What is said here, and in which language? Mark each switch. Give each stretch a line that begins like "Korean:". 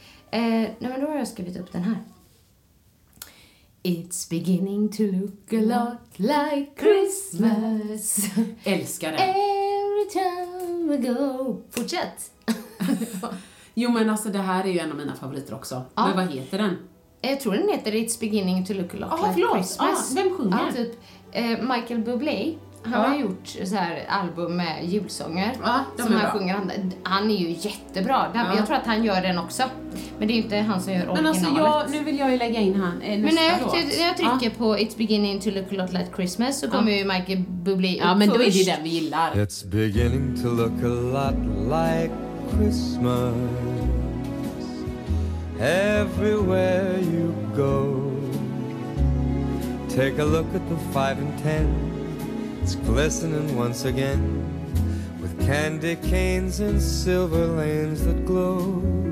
Swedish: Nej, men då har jag skrivit upp den här.
English: It's beginning to look a lot like Christmas.
Swedish: Älskar den.
English: Every time we go.
Swedish: Fortsätt. Jo, men alltså det här är ju en av mina favoriter också. Ja. Men vad heter den? Jag tror den heter It's beginning to look a lot like Christmas. Ja, vem sjunger? Ja, typ Michael Bublé. Han har gjort så här album med julsånger som han sjunger. Han är ju jättebra. Jag tror att han gör den också. Men det är ju inte han som gör originalet. Men alltså nu vill jag ju lägga in han. Men när jag trycker på It's beginning to look a lot like Christmas, så kommer ju Michael Bublé upp. Ja, men då är det den vi gillar.
English: It's beginning to look a lot like Christmas. Everywhere you go, take a look at the 5 and 10. It's glistening once again with candy canes and silver lanes that glow.